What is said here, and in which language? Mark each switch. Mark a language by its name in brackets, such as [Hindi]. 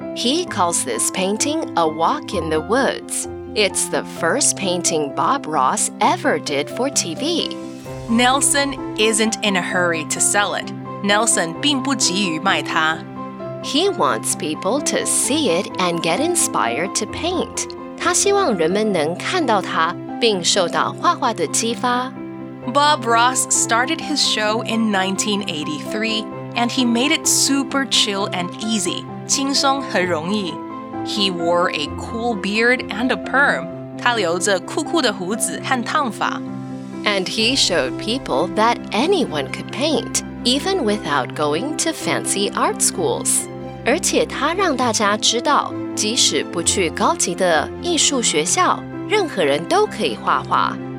[English] He calls this painting a walk in the woods. It's the first painting Bob Ross ever did for TV. Nelson isn't in a hurry to sell it. Nelson [Chinese] 并不急于卖它。 [English] He wants people to see it and get inspired to paint. [Chinese] 他希望人们能看到它并受到画画的激发。 [English] Bob Ross started his show in 1983, and he made it super chill and easy, [Chinese] 轻松和容易。 [English] He wore a cool beard and a perm. [Chinese] 他留着酷酷的胡子和烫发。 [English] And he showed people that anyone could paint, even without going to fancy art schools. [Chinese] 而且他让大家知道，即使不去高级的艺术学校，任何人都可以画画。